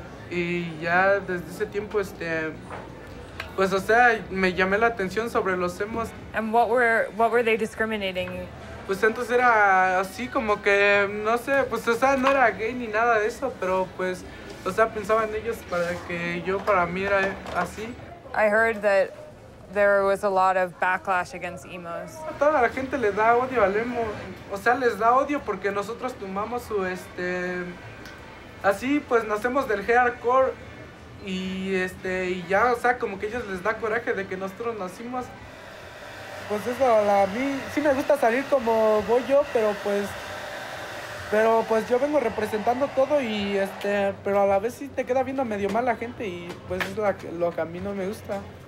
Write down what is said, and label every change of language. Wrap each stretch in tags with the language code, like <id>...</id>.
<es>Y ya desde ese tiempo, me llamé la atención sobre los emos.</es> <en>And what were they discriminating?</en> <es>Pues entonces era así como que, no sé, pues no era gay ni nada de eso, pero pues, pensaban ellos para que yo para mí era así.</es> <en>I heard that there was a lot of backlash against emos.</en> <es>Toda la gente le da odio al emo. O sea, les da odio porque nosotros tomamos su, así, pues, nacemos del hardcore y, y ya, o sea, como que ellos les da coraje de que nosotros nacimos. Pues eso, a mí sí me gusta salir como voy yo, pero pues yo vengo representando todo y, pero a la vez sí te queda viendo medio mal la gente y, pues, es lo que a mí no me gusta.</es>